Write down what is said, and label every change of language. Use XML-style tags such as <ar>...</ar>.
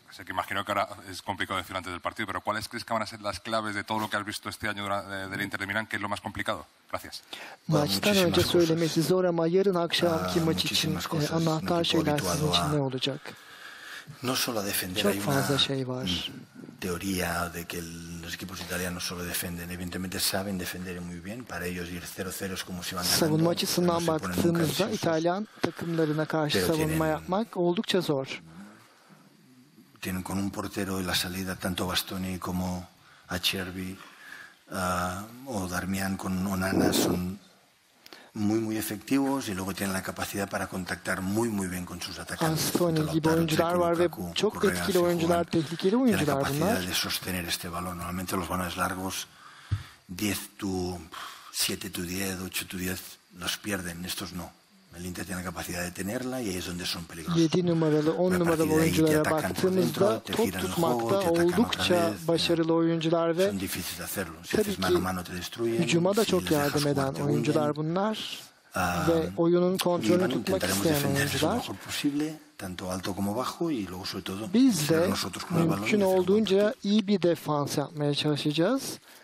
<es>Sé que imagino que ahora es complicado decir antes del partido, pero ¿cuáles crees que van a ser las claves de todo lo que has visto este año del Inter de Milán, que es lo más complicado? Gracias.</es> <tr>Maçtan önce söylemesi zor ama yarın akşamki maç için anahtar şeyler sizin için ne olacak?</tr> <es>No solo defender,</es> <tr>çok fazla şey var.</tr> <es>Teoría de que los equipos italianos solo defienden, evidentemente saben defender muy bien. Para ellos ir 0-0 es como si van ganando.</es> <tr>Savunma açısından baktığımızda İtalyan takımlarına karşı savunma yapmak oldukça zor.</tr> <es>Tienen con un portero en la salida tanto Bastoni como Acerbi o Darmian con Onana son muy muy efectivos y luego tienen la capacidad para contactar muy muy bien con sus atacantes.</es> <tr>Anthony gibi oyuncular var ve çok etkili oyuncular, tehlikeli oyuncular bunlar.</tr> <es>La capacidad de sostener este balón. Normalmente los balones largos 10 to 7 to 10, 8 to 10 los pierden, estos no. El Inter tiene la capacidad de tenerla y ahí es donde son peligrosos.</es> <tr>7 numaralı, 10 numaralı oyunculara baktığımızda top tutmakta oldukça başarılı oyuncular ve tabii ki hücuma da çok yardım eden oyuncular bunlar ve oyunun kontrolünü tutmak isteyen oyuncular.</tr> <es>Tanto alto como bajo y luego sobre todo</es> <tr>biz de mümkün olduğunca iyi bir defans yapmaya çalışacağız.</tr>